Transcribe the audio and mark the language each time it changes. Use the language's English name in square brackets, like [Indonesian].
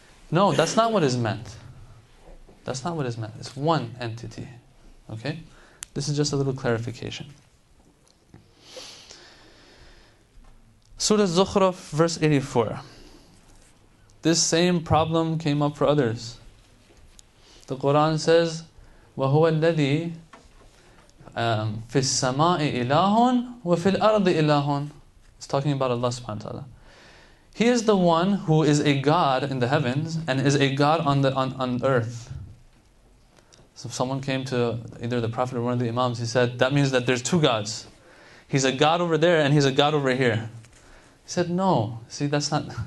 [English] No, that's not what is meant. That's not what is meant. It's one entity. Okay? This is just a little clarification. Surah Zukhruf, verse 84. This same problem came up for others. The Quran says, [Arabic] وَهُوَ الَّذِي فِي السَّمَاءِ إِلَهٌ وَفِي الْأَرْضِ إِلَهٌ. [English] It's talking about Allah subhanahu wa ta'ala. He is the one who is a God in the heavens and is a God on earth. So if someone came to either the Prophet or one of the Imams, he said, that means that there's two gods. He's a God over there and he's a God over here. He said, no. See, that's not...